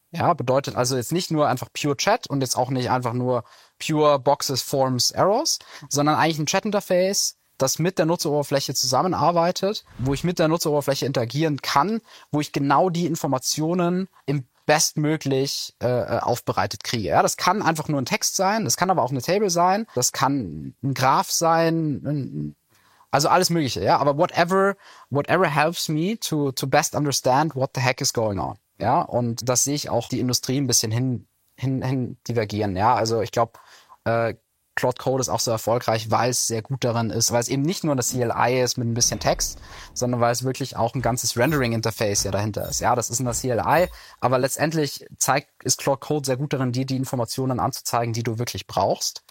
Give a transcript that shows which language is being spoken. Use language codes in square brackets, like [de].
[de] Ja, bedeutet also jetzt nicht nur einfach pure Chat und jetzt auch nicht einfach nur pure Boxes, Forms, Arrows, sondern eigentlich ein Chat-Interface, das mit der Nutzeroberfläche zusammenarbeitet, wo ich mit der Nutzeroberfläche interagieren kann, wo ich genau die Informationen im bestmöglich aufbereitet kriege. Ja, das kann einfach nur ein Text sein, das kann aber auch eine Table sein, das kann ein Graph sein, also alles Mögliche. [en] Ja, aber whatever helps me to best understand what the heck is going on. [de] Ja, und das sehe ich auch die Industrie ein bisschen hin divergieren. Ja, also ich glaube, Claude Code ist auch so erfolgreich, weil es sehr gut darin ist, weil es eben nicht nur das CLI ist mit ein bisschen Text, sondern weil es wirklich auch ein ganzes Rendering-Interface ja dahinter ist. Ja, das ist ein CLI, aber letztendlich ist Claude Code sehr gut darin, dir die Informationen anzuzeigen, die du wirklich brauchst.